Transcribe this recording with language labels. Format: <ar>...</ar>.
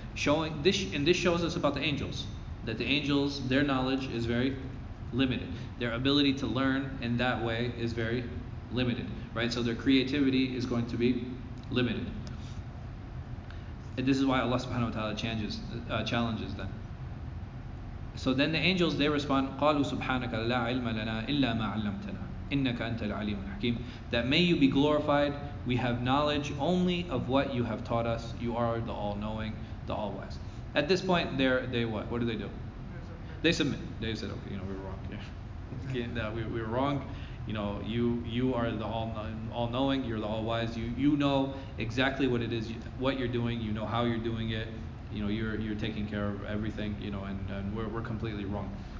<en>This shows us about the angels. That the angels, their knowledge is very limited. Their ability to learn in that way is very limited, right? So their creativity is going to be limited. And this is why Allah subhanahu wa ta'ala challenges them. So then the angels, they respond,</en> <ar>قَالُوا سُبْحَانَكَ لَا عِلْمَ لَنَا إِلَّا مَا عَلَّمْتَنَا إِنَّكَ أَنْتَ الْعَلِيمُ الْحَكِيمُ.</ar> <en>That may you be glorified, we have knowledge only of what you have taught us. You are the all-knowing, the all-wise. At this point, what do they do? They submit. They said, okay, you know, we were wrong. we were wrong. You know, you are the all-knowing, you're the all-wise, you know exactly what it is, what you're doing, you know how you're doing it, you know, you're taking care of everything, you know, and we're completely wrong.</en>